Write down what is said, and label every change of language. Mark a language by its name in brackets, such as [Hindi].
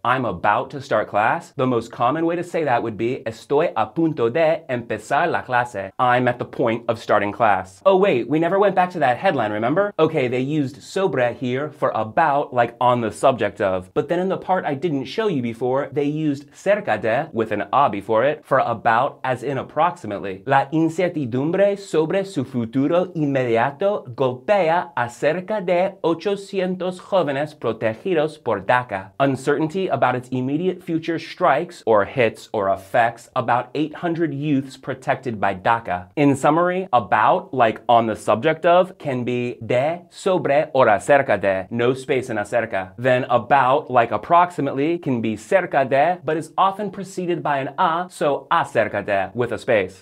[English] I'm about to start class. The most common way to say that would be estoy a punto de empezar la clase. I'm at the point of starting class. Oh wait, we never went back to that headline, remember? Okay, they used sobre here for about, like on the subject of. But then in the part I didn't show you before, they used cerca de, with an a before it, for about, as in approximately. [Spanish] La incertidumbre sobre su futuro inmediato golpea a cerca de 800 jóvenes protegidos por DACA. [English] Uncertainty about its immediate future strikes, or hits, or affects about 800 youths protected by DACA. In summary, about, like on the subject of, can be de, sobre, or acerca de, no space in acerca. Then about, like approximately, can be cerca de, but is often preceded by an a, so acerca de, with a space.